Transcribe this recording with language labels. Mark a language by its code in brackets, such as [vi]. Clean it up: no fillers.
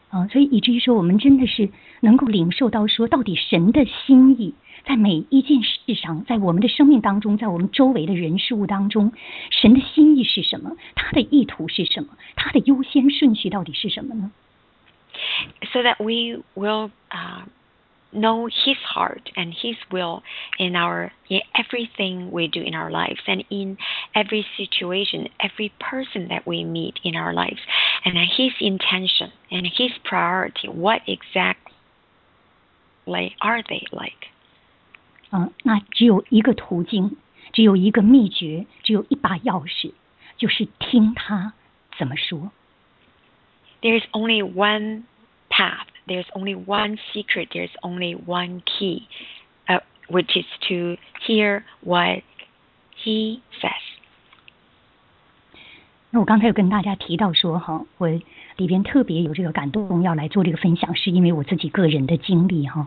[zh] 所以以至于说我们真的是能够领受到说到底神的心意在每一件事上，在我们的生命当中，在我们周围的人事物当中，神的心意是什么？他的意图是什么？他的优先顺序到底是什么呢？ [en] So that we will know his heart and his will in everything we do in our lives, and in every situation, every person that we meet in our lives, and his intention and his priority, what exactly are they like? [zh] 那只有一个途径，只有一个秘诀，只有一把钥匙，就是听他怎么说。 [en] There is only one path. There's only one secret. There's only one key, which is to hear what he says. [zh] 那我刚才有跟大家提到说我里边特别有这个感动要来做这个分享，是因为我自己个人的经历